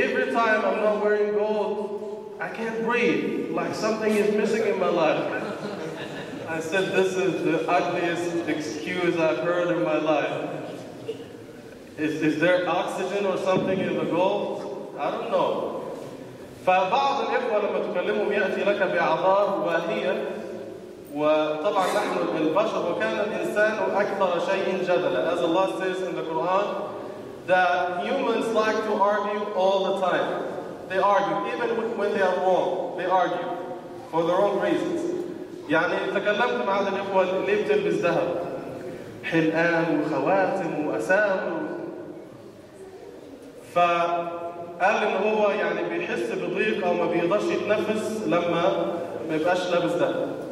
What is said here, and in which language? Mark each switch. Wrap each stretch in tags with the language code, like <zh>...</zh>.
<en>Every time I'm not wearing gold, I can't breathe. Like something is missing in my life. I said, this is the ugliest excuse I've heard in my life. Is there oxygen or something in the gold? I don't know.</en> <ar>فبعض الإخوة لما تكلمهم يأتي لك بأعذار وهي وطبعا نحن البشر وكان الإنسان أكثر شيء جدلا.</ar> <en>As Allah says in the Quran, that humans like to argue all the time. They argue, even when they are wrong, they argue for the wrong reasons.</en> <ar>يعني تكلمت مع هذا الإخوة ليه بتلبس ذهب؟ حلقان وخواتم وأسامر. فقال ان هو يعني بيحس بضيق او ما بيقدرش يتنفس لما ما يبقاش لابس ذهب.</ar>